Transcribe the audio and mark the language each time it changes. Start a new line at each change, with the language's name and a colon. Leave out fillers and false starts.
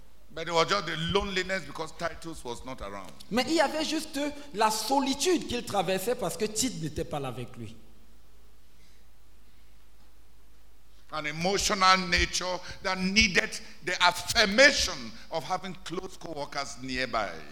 English: But it was just the loneliness because Titus was not around.
French: Mais il y avait juste la solitude qu'il traversait parce que Tite n'était pas là avec lui.
English: An emotional nature that needed the affirmation of having close co-workers nearby.